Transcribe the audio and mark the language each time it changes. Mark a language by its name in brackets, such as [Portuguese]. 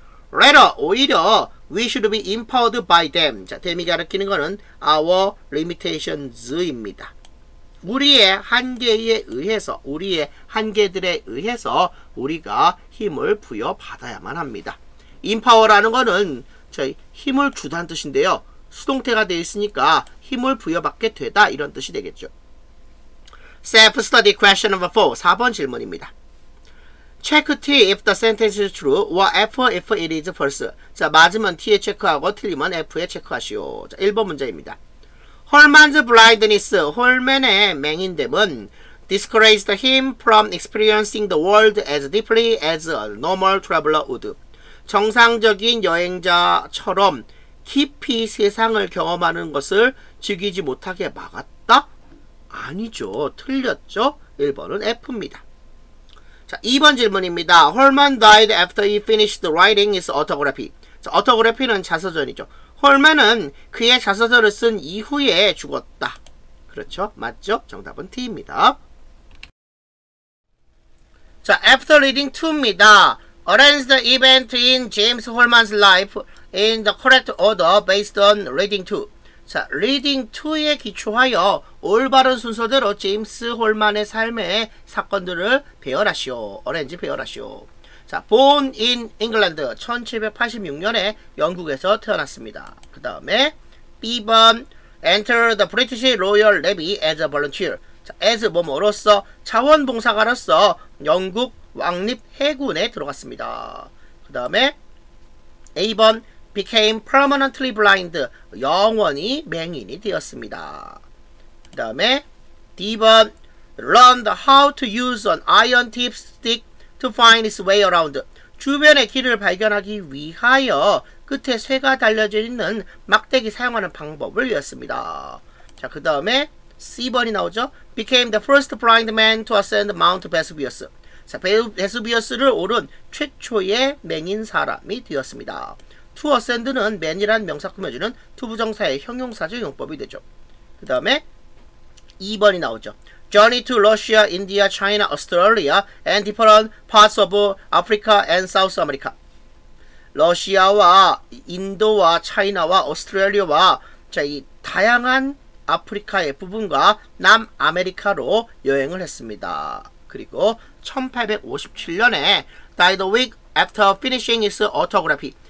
[English] Rather, [Korean] 오히려 [English] we should be empowered by them. [Korean] 자, them이 가리키는 거는 [English] our limitations [Korean] 입니다. 우리의 한계에 의해서, 우리의 한계들에 의해서 우리가 힘을 부여받아야만 합니다. empower라는 거는 저희 힘을 주다는 뜻인데요. 수동태가 되어 있으니까 힘을 부여받게 되다 이런 뜻이 되겠죠. [English] Self-study question number 4, [Korean] 4번 질문입니다. [English] Check T if the sentence is true or F if it is false. [Korean] 자, 맞으면 T에 체크하고 틀리면 F에 체크하시오. 자, 1번 문제입니다. [English] Holman's blindness, [Korean] Holman의 맹인됨은 [English] discouraged him from experiencing the world as deeply as a normal traveler would. [Korean] 정상적인 여행자처럼 깊이 세상을 경험하는 것을 즐기지 못하게 막았다? 아니죠. 틀렸죠. 1번은 F입니다. 자, 2번 질문입니다. [English] Holman died after he finished writing his autobiography. [Korean] 자, autobiography는 자서전이죠. Holman은 그의 자서전을 쓴 이후에 죽었다. 그렇죠? 맞죠? 정답은 T입니다. 자, after reading 2입니다. [English] Arrange the event in James Holman's life in the correct order based on reading 2. [Korean] 자, reading 2에 기초하여 올바른 순서대로 제임스 홀만의 삶의 사건들을 배열하시오. 어렌지 배열하시오. 자, [English] born in England. [Korean] 1786년에 영국에서 태어났습니다. 그 다음에 B번, [English] enter the British Royal Navy as a volunteer. [Korean] 자, as 뭐뭐로서 자원봉사가로서 영국 왕립 해군에 들어갔습니다. 그 다음에 A번, [English] became permanently blind, [Korean] 영원히 맹인이 되었습니다. 그 다음에 D번, [English] learned how to use an iron tip stick to find its way around. [Korean] 주변의 길을 발견하기 위하여 끝에 쇠가 달려져 있는 막대기 사용하는 방법을 배웠습니다. 자, 그 다음에 C번이 나오죠. [English] became the first blind man to ascend Mount Vesuvius. [Korean] 자, 베스비어스를 오른 최초의 맹인 사람이 되었습니다. To ascend는 man이란 명사 꾸며주는 to 부정사의 형용사적 용법이 되죠. 그 다음에 2번이 나오죠. [English] Journey to Russia, India, China, Australia and different parts of Africa and South America. [Korean] 러시아와 인도와 차이나와 오스트레일리아와 이 다양한 아프리카의 부분과 남아메리카로 여행을 했습니다. 그리고 1857년에 [English] died a week after finishing his autobiography.